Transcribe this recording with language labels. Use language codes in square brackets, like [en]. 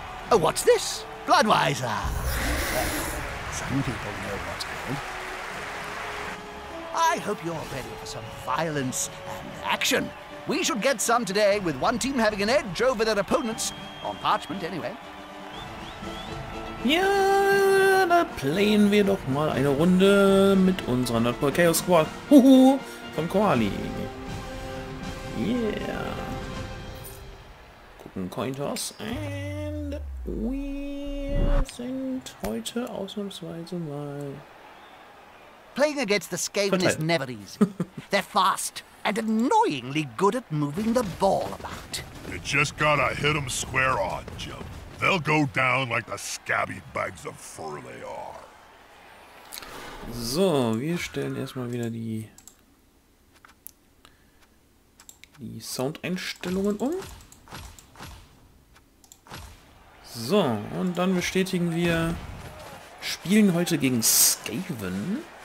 [en] Oh, what's this? Budweiser. Well, some people know what's good. I hope you're ready for some violence and action. We should get some today, with one team having an edge over their opponents. On parchment, anyway. [de] Ja, da playen wir doch mal eine Runde mit unserer Nordpol Chaos Squad. Huhu, von Koali. Yeah. Gucken Coin Toss. And wir sind heute ausnahmsweise mal... [en] Playing against the Skaven is never easy. They're fast and annoyingly good at moving the ball about. You just gotta hit them square on, Jim. They'll go down like the scabby bags of fur they are. [de] So, wir stellen erstmal wieder die Soundeinstellungen um. So, und dann bestätigen wir, spielen heute gegen Skaven.